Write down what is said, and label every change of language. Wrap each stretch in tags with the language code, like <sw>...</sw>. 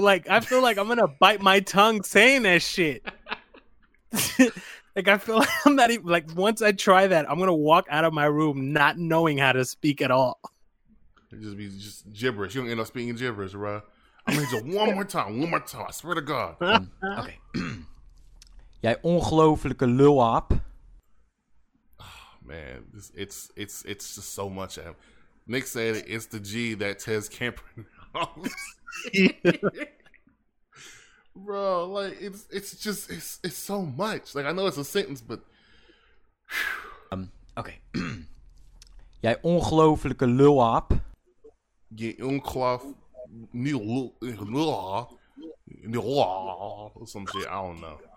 <en>Like, I feel like I'm gonna bite my tongue saying that shit. Like, I feel like I'm not even. Like, once I try that, I'm gonna walk out of my room not knowing how to speak at all. Just gibberish. You don't end up speaking gibberish, bro. I'm gonna do one more time. One more time. I swear to God. Okay.</en> <nl>Jij ongelofelijke lul op.</nl> <en>Oh, man, it's just so much. Nick said it's the G that Tez can't pronounce. Bro, like it's so much. Like, I know it's a sentence, but okay.</en> <nl>Jij ongelofelijke lul op.</nl> <en>Je onklof nul or some shit. I don't know.</en>